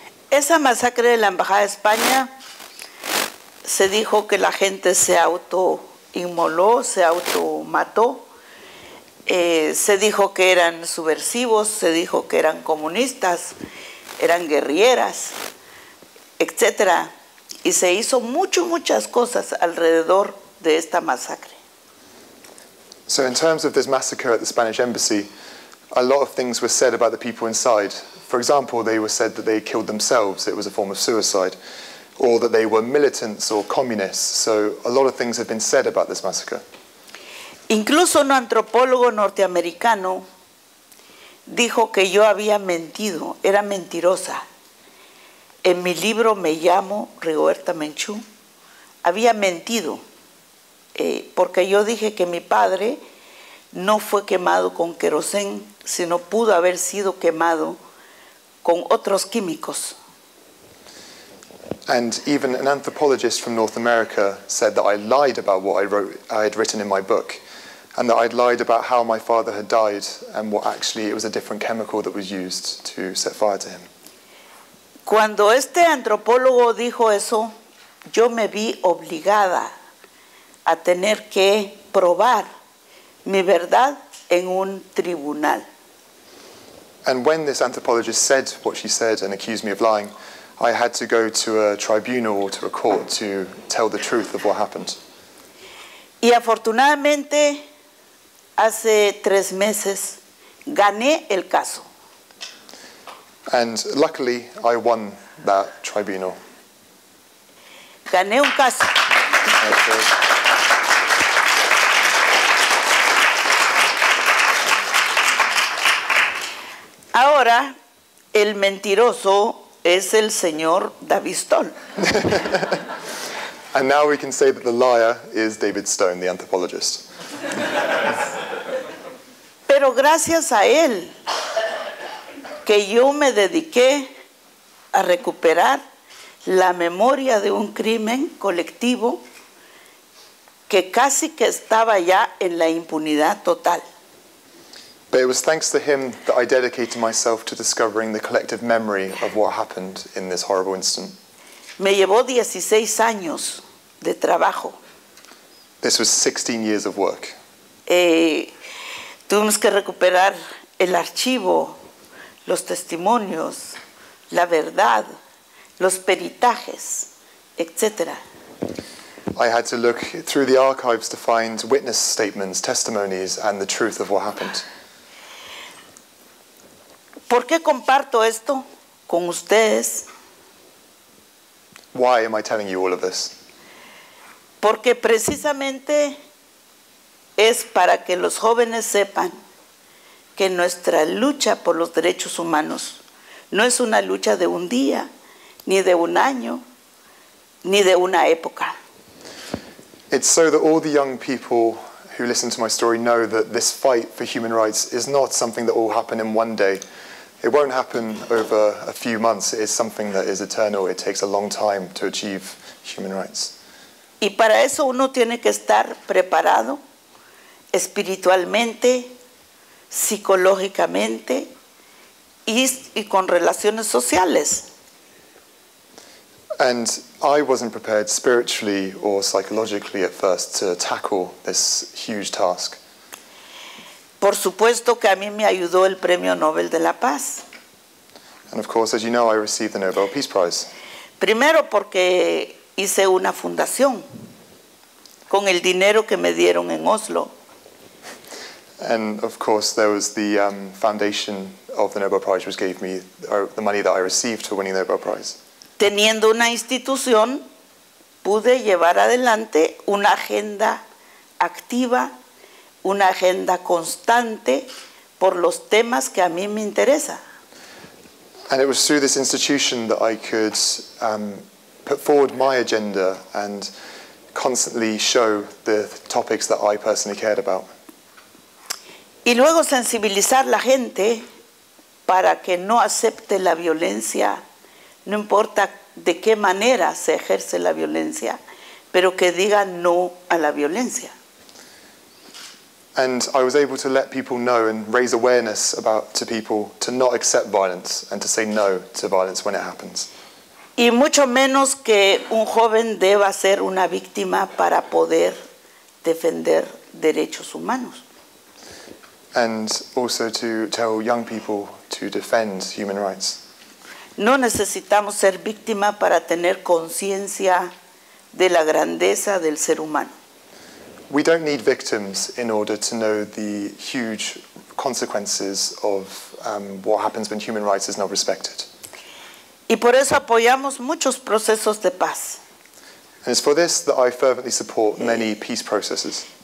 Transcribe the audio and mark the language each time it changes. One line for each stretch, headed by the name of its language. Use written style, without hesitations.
Spanish: Esa masacre de la Embajada de España, se dijo que la gente se autoinmoló, se automató. Se dijo que eran subversivos, se dijo que eran comunistas, eran guerrilleras, etc. Y se hizo muchas cosas alrededor de esta masacre.
English: So in terms of this massacre at the Spanish embassy, a lot of things were said about the people inside. For example, they were said that they killed themselves, it was a form of suicide, or that they were militants or communists. So a lot of things have been said about this massacre.
Spanish: Incluso un antropólogo norteamericano dijo que yo había mentido, era mentirosa. En mi libro me llamo Rigoberta Menchú. Había mentido porque yo dije que mi padre no fue quemado con querosén, sino pudo haber sido quemado con otros químicos.
English: And even an anthropologist from North America said that I lied about what I had written in my book. And that I'd lied about how my father had died and what actually it was a different chemical that was used to set fire to him.
Spanish: Cuando este antropólogo dijo eso, yo me vi obligada a tener que probar mi verdad en un tribunal.
English: And when this anthropologist said what she said and accused me of lying, I had to go to a tribunal or to a court to tell the truth of what happened.
Spanish: Y afortunadamente, hace 3 meses, gané el caso.
English: And luckily, I won that tribunal.
Spanish: Gané un caso. Ahora, el mentiroso es el señor David Stone.
English: And now we can say that the liar is David Stone, the anthropologist.
Spanish: Pero gracias a él que yo me dediqué a recuperar la memoria de un crimen colectivo que casi que estaba ya en la impunidad total.
English: But it was thanks to him that I dedicated myself to discovering the collective memory of what happened in this horrible incident.
Spanish: Me llevó 16 años de trabajo.
English: This was 16 years of work.
Spanish: Tuvimos que recuperar el archivo, los testimonios, la verdad, los peritajes, etc.
English: I had to look through the archives to find witness statements, testimonies, and the truth of what happened.
Spanish: ¿Por qué comparto esto con ustedes?
English: Why am I telling you all of this?
Spanish: Porque precisamente es para que los jóvenes sepan que nuestra lucha por los derechos humanos no es una lucha de un día, ni de un año, ni de una época.
English: It's so that all the young people who listen to my story know that this fight for human rights is not something that will happen in one day. It won't happen over a few months. It is something that is eternal. It takes a long time to achieve human rights.
Spanish: Y para eso uno tiene que estar preparado espiritualmente, psicológicamente y con relaciones sociales.
English: And I wasn't prepared spiritually or psychologically at first to tackle this huge task.
Spanish: Por supuesto que a mí me ayudó el Premio Nobel de la Paz.
English: And of course, as you know, I received the Nobel Peace Prize.
Spanish: Primero porque hice una fundación con el dinero que me dieron en Oslo.
English: And of course, there was the foundation of the Nobel Prize, which gave me the money that I received for winning the Nobel Prize.
Spanish: Teniendo una institución, pude llevar adelante una agenda activa, una agenda constante por los temas que a mí me interesa.
English: And it was through this institution that I could put forward my agenda and constantly show the topics that I personally cared about.
Spanish: Y luego sensibilizar la gente para que no acepte la violencia, no importa de qué manera se ejerce la violencia, pero que diga no a la violencia.
English: And I was able to let people know and raise awareness about to people to not accept violence and to say no to violence when it happens.
Spanish: Y mucho menos que un joven deba ser una víctima para poder defender derechos humanos.
English: And also to tell young people to defend human rights.
Spanish: No necesitamos ser víctima para tener conciencia de la grandeza del ser humano.
English: We don't need victims in order to know the huge consequences of what happens when human rights is not respected.
Spanish: Y por eso apoyamos muchos procesos de paz.
English: And it's for this that I fervently support many peace processes.